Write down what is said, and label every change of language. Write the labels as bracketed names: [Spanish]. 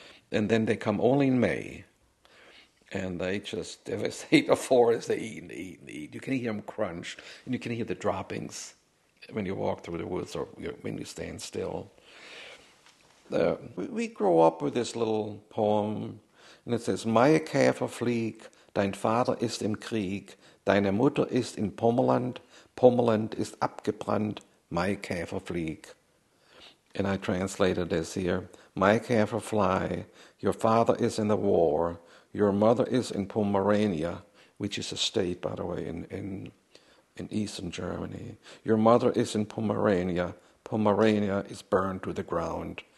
[English] And then they come only in May. And they just devastate the forest. They eat and eat and eat. You can hear them crunch. And you can hear the droppings when you walk through the woods or when you stand still. We grow up with this little poem. And it says, [German] Meine Käfer flieg, dein Vater ist im Krieg. Deine Mutter ist in Pommeland. Pommeland ist abgebrannt. Meine Käfer flieg. [English] And I translated this here. My Käfer fly, your father is in the war, your mother is in Pomerania, which is a state, by the way, in eastern Germany. Your mother is in Pomerania. Pomerania is burned to the ground.